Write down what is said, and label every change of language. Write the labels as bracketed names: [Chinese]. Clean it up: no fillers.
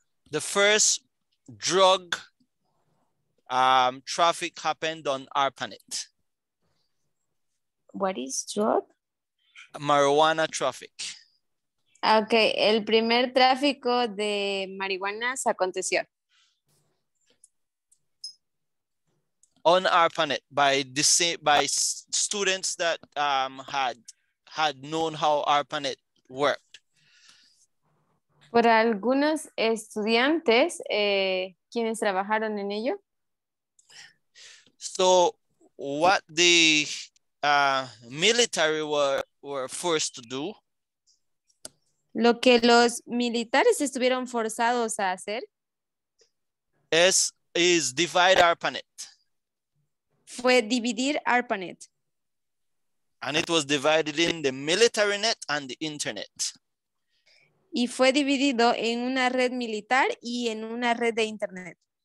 [English] The first drug traffic happened on ARPANET. What is drug? Marijuana traffic. [Spanish] Okay, el primer tráfico de marihuana se aconteció. [English] On ARPANET by students that had known how ARPANET worked. [Spanish] Por algunos estudiantes quienes trabajaron en ello. [English] So what the military were forced to do. [Spanish] Lo que los militares estuvieron forzados a hacer [English] is divide ARPANET. [Spanish] Fue dividir ARPANET. [English] And it was divided in the military net and the internet. [Spanish] Y fue dividido en una red militar y en una red de internet.